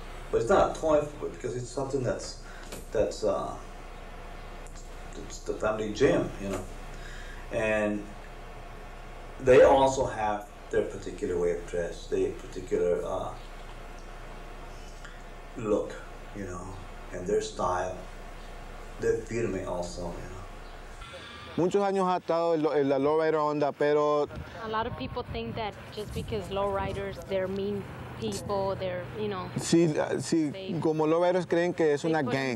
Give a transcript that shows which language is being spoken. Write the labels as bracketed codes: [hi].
[en] But it's not a toy because it's something that's the family gym, you know. And they also have their particular way of dress, their particular look, you know, and their style. They're firme also, you know. [es] Muchos años ha estado en la Lowrider onda, pero... [en] A lot of people think that just because Lowriders, they're mean people, they're, you know... [es] Sí, sí, como Lowriders creen que es una gang.